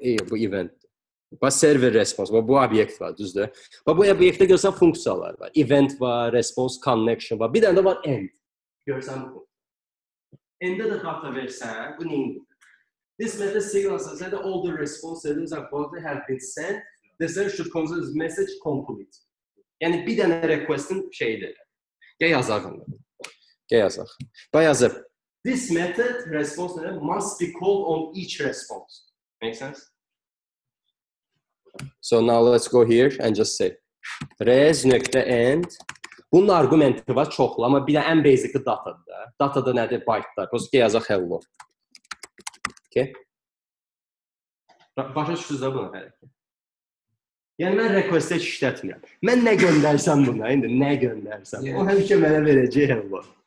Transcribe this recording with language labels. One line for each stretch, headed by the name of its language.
Azerbaijani: Bu event. Bu server response. Bu obyekt var, düzdür. Bu obyektdə görsən funksiyalar var. Event var, response, connection var. Bir dənə də var end. Görsən bu. End-də də data versən, bu neyindir?
English: This method signals us that all the response settings are currently have been sent. The server should consider this message complete.
Azerbaijani: Yəni bir dənə request-in şeyidir. Gəl yazaq. Gəl yazaq. Bu yazıb.
English: This method response must be called on each response. Make sense? So now let's go here and just say
Azerbaijani: Res nokta end. Bunun argumenti var çoxlu, amma bir də ən basic datadır da. Data da nədir? Byte-da. Bəs ki yazaq hello. Okay. Başa düşdünüz da bunu hələ. Yəni mən request heç işlətmirəm. Mən nə göndərsəm buna, indi nə göndərsəm. Yeah. O həmişə mənə verəcək hello.